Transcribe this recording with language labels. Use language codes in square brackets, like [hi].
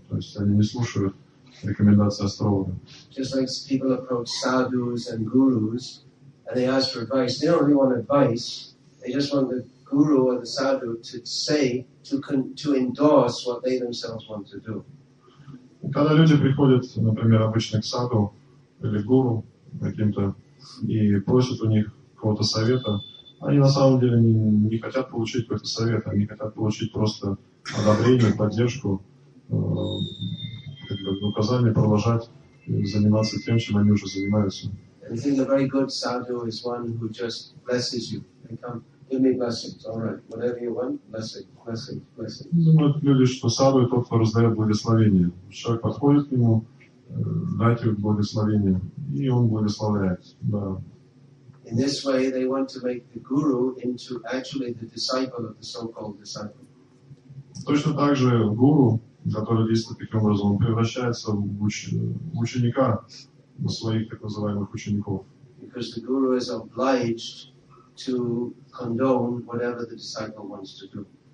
[ru] То есть они не слушают рекомендации астролога. [en] Just like people approach sadhus and gurus and they ask for advice. They don't really want advice. They just want the guru or the sadhu to say, to endorse what they themselves want to do. [ru] Когда люди приходят, например, обычно к саду или гуру каким-то и просят у них какого-то совета, они на самом деле не хотят получить какой-то совет, они хотят получить просто одобрение, поддержку, указание продолжать заниматься тем, чем они уже занимаются. [en] I think a very good sadhu is one who just blesses you. Give me blessings, all right, whatever you want, blessing. [ru] Ну, люди, что саду и тот, кто раздает благословение. Человек подходит к нему, дайте благословение, и он благословляет, да. [en] In this way, they want to make the guru into actually the disciple of the so-called disciple. [ru] Точно так же гуру, который действует таким образом, он превращается в ученика, в своих так называемых учеников. [en] Because the guru is obliged to condone whatever the disciple wants to do.